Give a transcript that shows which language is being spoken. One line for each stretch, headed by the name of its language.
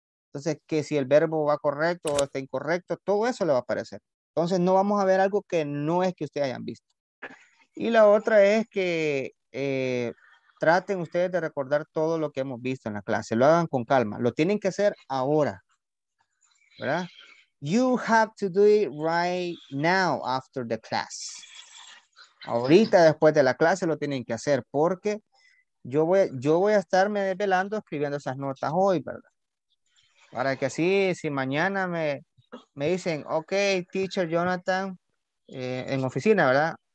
Spanish: Entonces, que si el verbo va correcto o está incorrecto, todo eso le va a aparecer. Entonces, no vamos a ver algo que no es que ustedes hayan visto. Y la otra es que traten ustedes de recordar todo lo que hemos visto en la clase. Lo hagan con calma. Lo tienen que hacer ahora. ¿Verdad?
English: You have to do it right now after the class.
Spanish: Ahorita, después de la clase, lo tienen que hacer. Porque yo voy a estarme desvelando escribiendo esas notas hoy, ¿verdad? Para que así, si mañana me dicen, ok, teacher Jonathan, en oficina, ¿verdad?